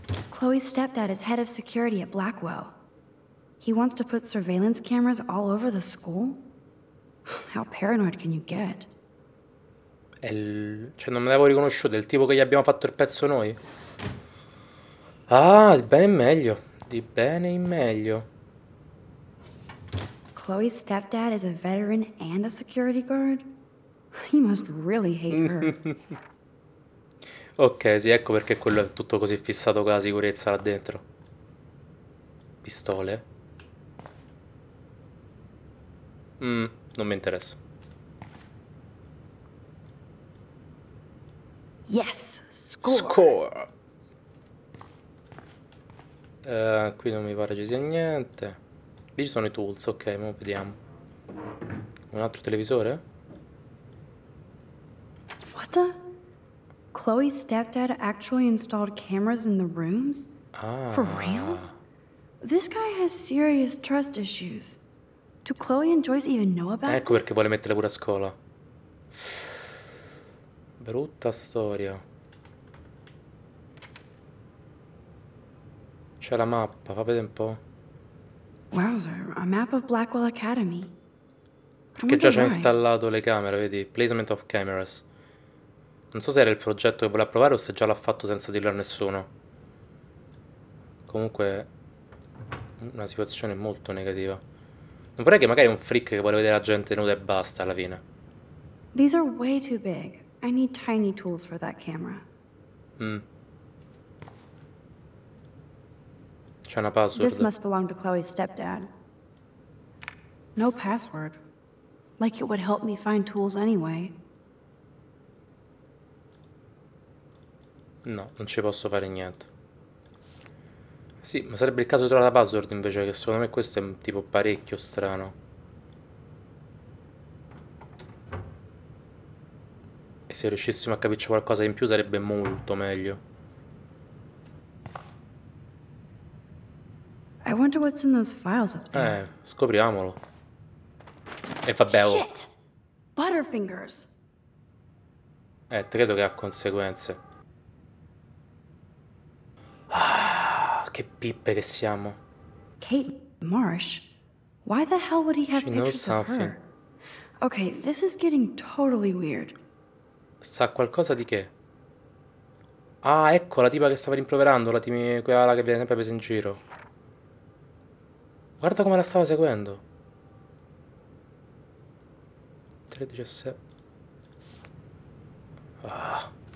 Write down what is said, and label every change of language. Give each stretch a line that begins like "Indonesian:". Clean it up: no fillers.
English: Chloe's stepdad is head of security at Blackwell. He wants to put surveillance cameras all over the school. How paranoid can you get?
Italian: Cioè non me l'avevo riconosciuto, il tipo che gli abbiamo fatto il pezzo noi. Ah, di bene in meglio. Di bene in meglio.
English: Chloe's stepdad is a veteran and a security guard. He must really hate her.
Italian: Ok, sì, ecco perché quello è tutto così fissato con la sicurezza là dentro. Pistole. Non mi interessa.
English: Yes, score. Score.
Italian: Qui non mi pare ci sia niente. Lì ci sono i tools, ok, mo vediamo. Un altro televisore?
English: What the? Chloe's stepdad actually installed cameras in the rooms? Ah. For reals? This guy has serious trust issues. Do Chloe and Joyce even know about this?
Italian: Ecco perché vuole metterle pure a scuola. Brutta storia. C'è la mappa, fa vedere un po'.
English: Wowzer, a map of Blackwell Academy.
Italian: Perché già c'ha installato le camere, vedi?
English: Placement of cameras.
Italian: Non so se era il progetto che voleva provare o se già l'ha fatto senza dirlo a nessuno. Comunque, una situazione molto negativa. Non vorrei che magari un freak che vuole vedere la gente nuda e basta alla fine.
English: These are way too big. I need tiny tools for that camera.
Italian: C'è una password.
English: This must belong to Chloe's stepdad. No password. Like it would help me find tools anyway.
Italian: No, non ci posso fare niente. Sì, ma sarebbe il caso di trovare la password invece, che secondo me questo è un tipo parecchio strano. E se riuscissimo a capirci qualcosa in più sarebbe molto meglio.
English: I wonder what's in those files up there.
Italian: Scopriamolo. E vabbè.
English: Shit! Butterfingers!
Italian: Credo che ha conseguenze. Che pippe che siamo.
English: Kate Marsh? Why the hell would he have pictures of her? Okay, this is getting totally weird.
Italian: Sa qualcosa di che? Ah, ecco la tipa che stava rimproverando, la team, quella che viene sempre presa in giro. Guarda come la stava seguendo. 3:17. Ah.